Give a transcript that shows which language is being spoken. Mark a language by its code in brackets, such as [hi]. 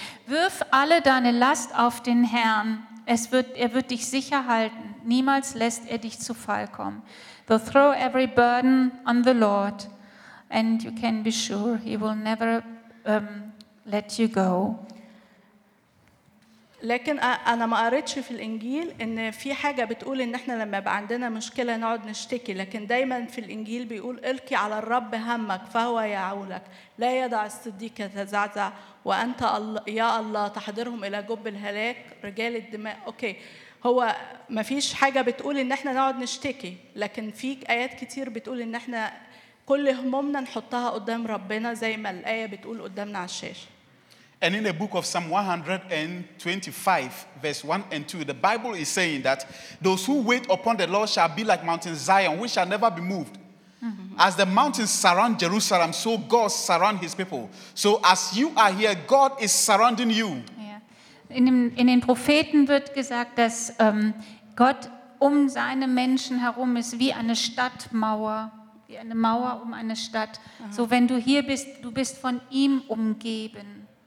[de] Wirf alle deine Last auf den Herrn. Er wird dich sicher halten. Niemals lässt er dich zu Fall kommen. [en] So throw every burden on the Lord, and you can be sure he will never let you go. [ar] لكن انا ما قريتش في الانجيل ان في حاجه بتقول ان احنا لما بقى عندنا مشكله نقعد نشتكي، لكن دايما في الانجيل بيقول القي على الرب همك فهو يعولك، لا يدع الصديق يتزعزع، وانت يا الله تحضرهم الى جب الهلاك رجال الدماء. اوكي، هو ما فيش حاجه بتقول ان احنا نقعد نشتكي، لكن في ايات كتير بتقول ان احنا كل همومنا نحطها قدام ربنا زي ما الايه بتقول قدامنا على الشاشه. [en] And in the book of Psalm 125, verse 1 and 2, the Bible is saying that those who wait upon the Lord shall be like mountain Zion, which shall never be moved. As the mountains surround Jerusalem, so God surround his people. So as you are here, God is surrounding you. Yeah. [de] In den Propheten wird gesagt, dass Gott um seine Menschen herum ist wie eine Stadtmauer. Wie eine Mauer um eine Stadt. Uh-huh. So wenn du hier bist, du bist von ihm umgeben.